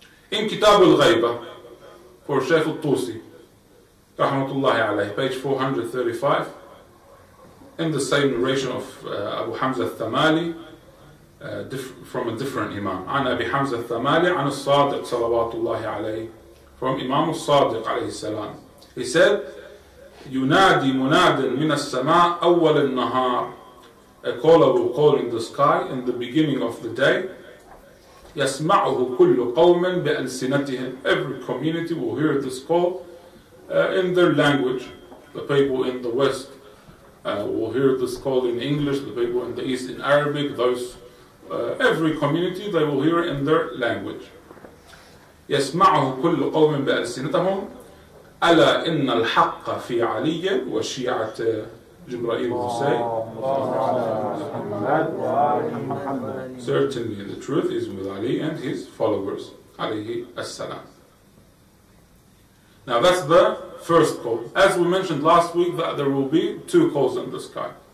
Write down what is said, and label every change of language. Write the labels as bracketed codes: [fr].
[en] In Kitab al-Ghaiba for Shaykh al-Tusi, rahmatullahi alayhi, page 435, in the same narration of Abu Hamza al-Thamali, from a different imam, [ar] عن أبي حمزة الثمالي عن الصادق صلوات الله [en] عليه, from Imam الصادق عليه السلام. He said, [ar] ينادي مناد من السماء أول النهار. [en] A caller will call in the sky in the beginning of the day. [ar] يسمعه كل قوم بألسنتهم. [en] Every community will hear this call in their language. The people in the west will hear this call in English, the people in the east in Arabic, those every community, they will hear it in their language. [ar] يسمعه كل قوم بألسنتهم ألا إن الحق في علي وشيعة جبرائيل وحسين. [en] Certainly the truth is with Ali and his followers عليه السلام. Now that's the first call. As we mentioned last week, that there will be two calls in the sky.